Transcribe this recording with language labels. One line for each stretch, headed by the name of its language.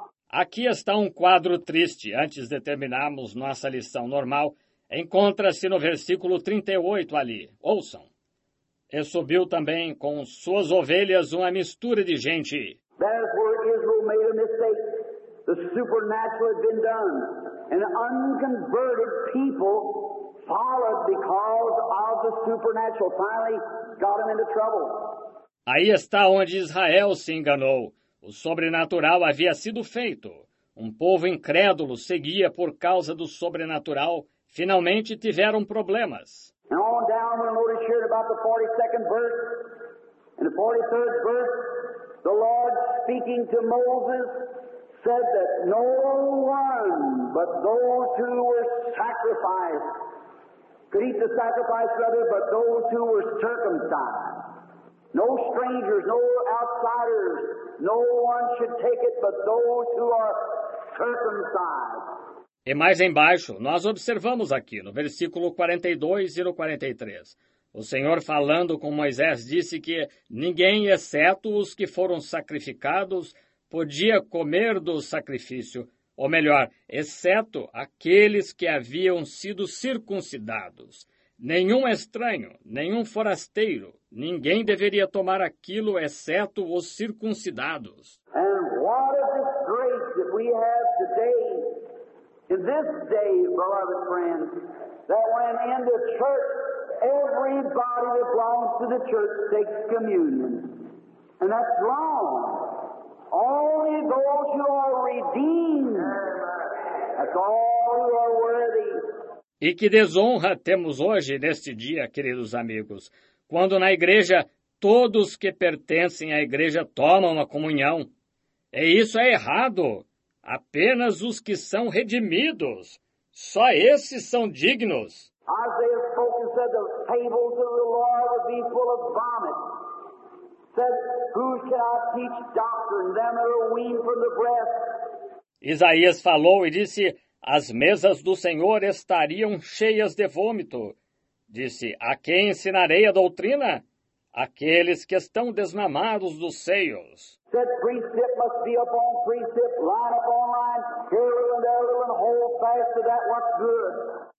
Portuguese: Aqui está quadro triste. Antes de terminarmos nossa lição normal, encontra-se no versículo 38 ali. Ouçam. E subiu também com suas ovelhas uma mistura de gente.
English: Therefore, Israel made a mistake. The supernatural had been done. An unconverted people followed because of the supernatural. Finally, got them into trouble.
Portuguese: Aí está onde Israel se enganou. O sobrenatural havia sido feito. Povo incrédulo seguia por causa do sobrenatural. Finalmente tiveram problemas.
English: And on down, we'll notice here about the 42nd verse. In the 43rd verse, the Lord speaking to Moses said that no one but those who were sacrificed could eat the sacrifice, rather, but those who were circumcised. No strangers, no outsiders, no one should take it but those who are circumcised.
Portuguese: E mais embaixo, nós observamos aqui, no versículo 42 e no 43, o Senhor falando com Moisés disse que ninguém, exceto os que foram sacrificados, podia comer do sacrifício. Ou melhor, exceto aqueles que haviam sido circuncidados. Nenhum estranho, nenhum forasteiro, ninguém deveria tomar aquilo exceto os circuncidados.
English: And what a disgrace that we have today, in this day, beloved friends, that when in the church everybody that belongs to the church takes communion. And that's wrong. Only those who are redeemed, that's all who are worthy.
Portuguese: E que desonra temos hoje neste dia, queridos amigos, quando na igreja todos que pertencem à igreja tomam a comunhão. E isso é errado. Apenas os que são redimidos, só esses são dignos.
English: Isaiah spoke and said the tables of the Lord would be full of vomit. Said, who shall I teach doctrine, them that are weaned from the breast?
Portuguese: Isaías falou e disse, as mesas do Senhor estariam cheias de vômito. Disse, a quem ensinarei a doutrina? Aqueles que estão desmamados dos seios.
English: Said, precept must be upon precept, line upon line, here and there, and hold fast to that what's good.